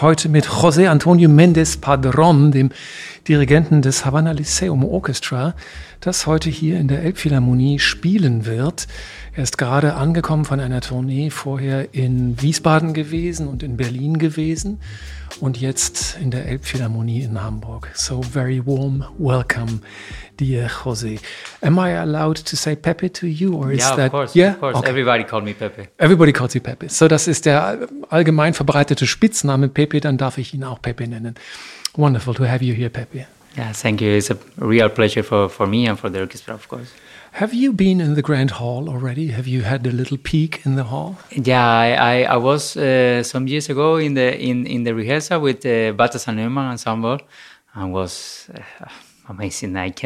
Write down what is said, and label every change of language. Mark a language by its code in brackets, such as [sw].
[de] Heute mit José Antonio Méndez Padrón, dem Dirigenten des Havana Lyceum Orchestra, das heute hier in der Elbphilharmonie spielen wird. Er ist gerade angekommen von einer Tournee, vorher in Wiesbaden gewesen und in Berlin gewesen und jetzt in der Elbphilharmonie in Hamburg. [en] So very warm welcome, dear José. Am I allowed to say Pepe to you? Or is that, of course. Yeah? Of course. Okay. Everybody called me Pepe. Everybody calls you Pepe. [de] So das ist der allgemein verbreitete Spitzname Pepe, dann darf ich ihn auch Pepe nennen. [en] Wonderful to have you here, Pepe. Yeah, thank you. It's a real pleasure for me and for the orchestra, of course. Have you been in the Grand Hall already? Have you had a little peek in the hall? Yeah, I was some years ago in the rehearsal with Bata San Neumann Ensemble, and was amazing.